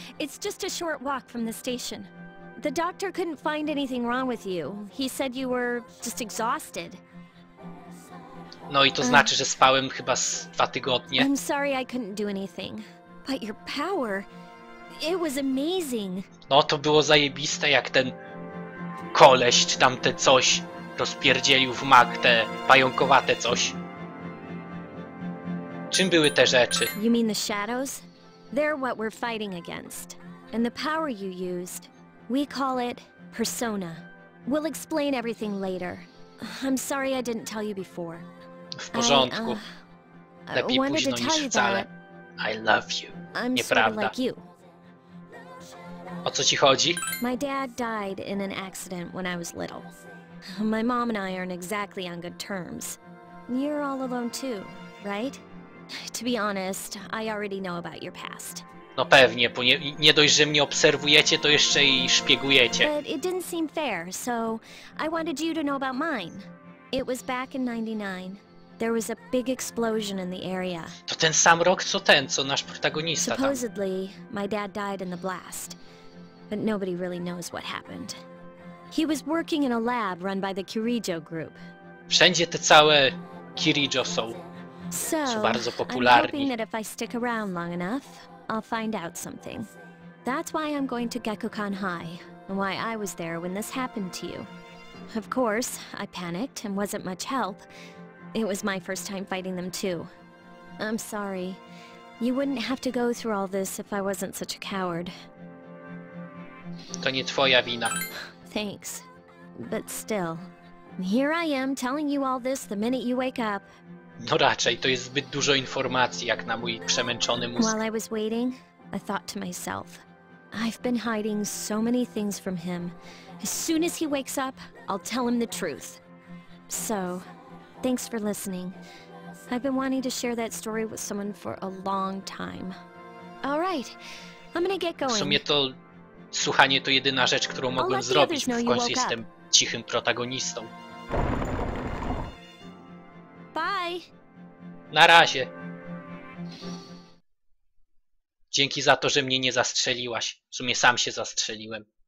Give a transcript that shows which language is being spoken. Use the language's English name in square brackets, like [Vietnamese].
[English] It's just a short walk from the station. The doctor couldn't find anything wrong with you. He said you were just exhausted. [Polish] No i to znaczy, że spałem chyba z 2 tygodnie. [English] I'm sorry I couldn't do anything. But your power, it was amazing. [Polish] No to było zajebiste, jak ten koleś czy tamte coś rozpierdzielił w mag te pająkowate coś. Czym były te rzeczy? [English] You mean the shadows? They're what we're fighting against. And the power you used, we call it persona. We'll explain everything later. I'm sorry I didn't tell you before. [Polish] W porządku. Lepiej późno niż wcale. [English] I love you. [Polish] Nieprawda. [English] Like you. [Polish] O co ci chodzi? [English] My dad died in an accident when I was little. My mom and I aren't exactly on good terms. You're all alone too, right? To be honest, I already know about your past. [Polish] No pewnie, bo nie dość, że mnie obserwujecie, to jeszcze i szpiegujecie. [English] But it didn't seem fair, so I wanted you to know about mine. It was back in 99. There was a big explosion in the area. [Polish] To ten sam rok, co ten, co nasz protagonista tam. [English] Supposedly, my dad died in the blast. But nobody really knows what happened. He was working in a lab run by the Kirijo group. [Polish] Wszędzie te całe Kirijo są. Są bardzo popularni. [English] I'm hoping that if I stick around long enough, I'll find out something. That's why I'm going to Gekkoukan High, and why I was there when this happened to you. Of course, I panicked and wasn't much help. It was my first time fighting them too. I'm sorry. You wouldn't have to go through all this if I wasn't such a coward. [Polish] To nie twoja wina. [English] Thanks. But still. Here I am telling you all this the minute you wake up. [Polish] No raczej, to jest zbyt dużo informacji jak na mój przemęczony mózg. [English] While I was waiting, I thought to myself. I've been hiding so many things from him. As soon as he wakes up, I'll tell him the truth. So, thanks for listening. I've been wanting to share that story with someone for a long time. All right, I'm gonna get going. [Polish] W sumie to słuchanie to jedyna rzecz, którą mogłem zrobić, bo w końcu jestem cichym protagonistą. [English] Bye. [Polish] Na razie. Dzięki za to, że mnie nie zastrzeliłaś. W sumie sam się zastrzeliłem.